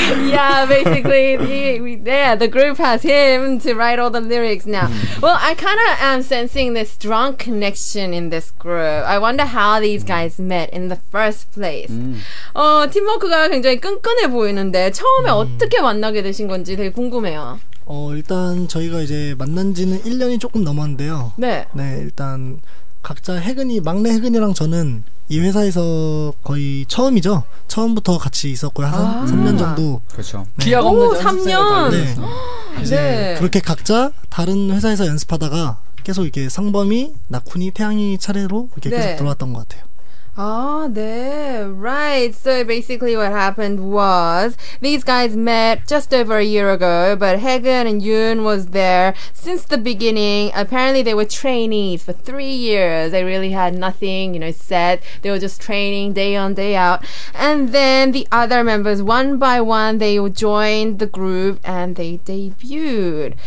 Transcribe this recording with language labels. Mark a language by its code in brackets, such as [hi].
[en] Yeah, basically, the group has him to write all the lyrics now. Well, I kind of am sensing this strong connection in this group. I wonder how these guys met in the first place. [ko] Oh, Timo 가 굉장히 끈끈해 보이는데 처음에 어떻게 만나게 되신 건지 되게 궁금해요. 어, 일단 저희가 이제 만난 지는 1년이 조금 넘었는데요. 네. 네, 일단 각자 혜근이 막내 혜근이랑 저는 이 회사에서 거의 처음이죠. 처음부터 같이 있었고요. 한 아~ 3년 정도. 그렇죠. 네. 기억 없는 3년. 네. 이제 네. 그렇게 각자 다른 회사에서 연습하다가 계속 이렇게 상범이, 나쿤이, 태양이 차례로 이렇게 네. 계속 들어왔던 것 같아요. [en] Oh, there. Right. So basically what happened was these guys met just over a year ago, but Haegun and Yoon was there since the beginning. Apparently they were trainees for 3 years. They really had nothing, you know, set. They were just training day on, day out. And then the other members, one by one, they joined the group and they debuted.